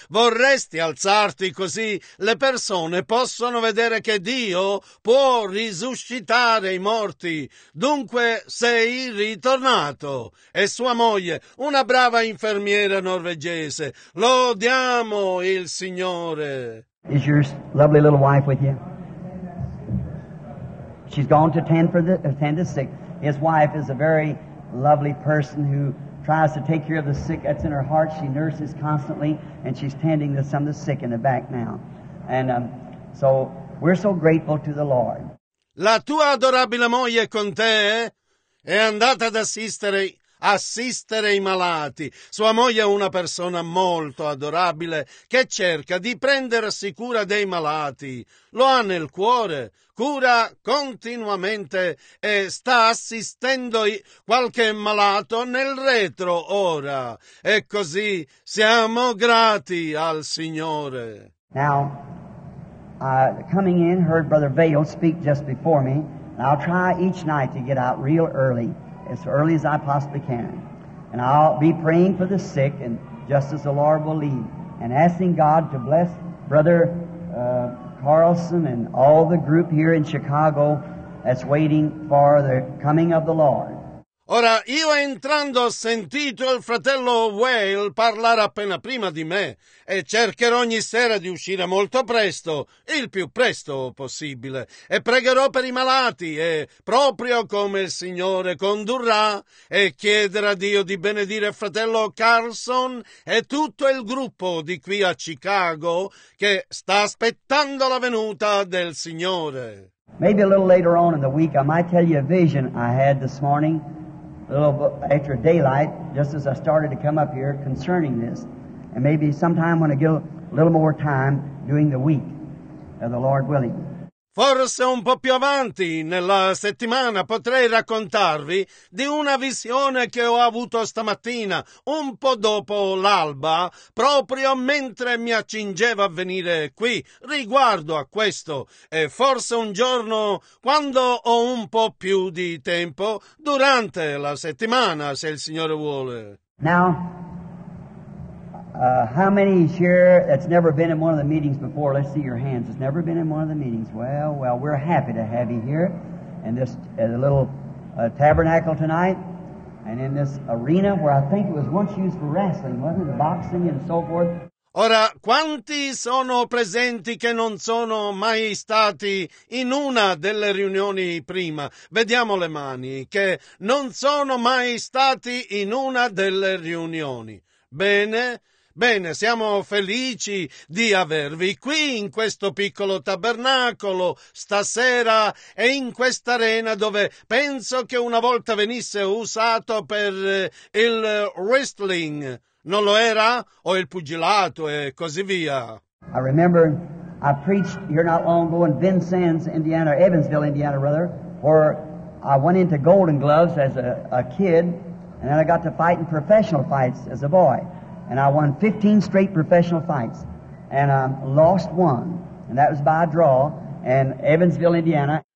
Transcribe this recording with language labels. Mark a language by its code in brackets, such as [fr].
[it] Vorresti alzarti così? Le persone possono vedere che Dio può risuscitare i morti. Dunque sei ritornato. E sua moglie, una brava infermiera norvegese. Lodiamo il Signore. [en] Is your lovely little wife with you? She's gone to attend the sick. His wife is a very lovely person who tries to take care of the sick. That's in her heart. She nurses constantly, and she's tending to some of the sick in the back now. And so we're so grateful to the Lord. [it] La tua adorabile moglie con te è andata ad assistere. Assistere i malati. Sua moglie è una persona molto adorabile che cerca di prendersi cura dei malati. Lo ha nel cuore, cura continuamente e sta assistendo qualche malato nel retro ora. E così siamo grati al Signore. [en] Now, coming in, heard Brother Vail speak just before me. I'll try each night to get out real early. As early as I possibly can. And I'll be praying for the sick and just as the Lord will lead. And asking God to bless Brother Carlson and all the group here in Chicago that's waiting for the coming of the Lord. [it] Ora, io entrando ho sentito il fratello Whale parlare appena prima di me e cercherò ogni sera di uscire molto presto, il più presto possibile, e pregherò per i malati e proprio come il Signore condurrà e chiederà a Dio di benedire fratello Carlson e tutto il gruppo di qui a Chicago che sta aspettando la venuta del Signore. [en] Maybe a little later on in the week I might tell you a vision I had this morning. A little after daylight, just as I started to come up here concerning this. And maybe sometime when I get a little more time during the week, the Lord willing. [it] Forse un po' più avanti nella settimana potrei raccontarvi di una visione che ho avuto stamattina, un po' dopo l'alba, proprio mentre mi accingevo a venire qui, riguardo a questo. E forse un giorno, quando ho un po' più di tempo, durante la settimana, se il Signore vuole. [en] Now, how many is here that's never been in one of the meetings before? Let's see your hands. It's never been in one of the meetings. Well, well, we're happy to have you here in this little tabernacle tonight and in this arena where I think it was once used for wrestling, wasn't it? Boxing and so forth. [it] Ora, quanti sono presenti che non sono mai stati in una delle riunioni prima? Vediamo le mani che non sono mai stati in una delle riunioni. Bene. Bene, siamo felici di avervi qui in questo piccolo tabernacolo stasera e in questa arena dove penso che una volta venisse usato per il wrestling. Non lo era? O il pugilato e così via. [en] I remember I preached here not long ago in Vincennes, Indiana, Evansville, Indiana, rather, where I went into Golden Gloves as a kid and then I got to fight in professional fights as a boy. And I won 15 straight professional fights, and I lost one, and that was by a draw, in Evansville, Indiana.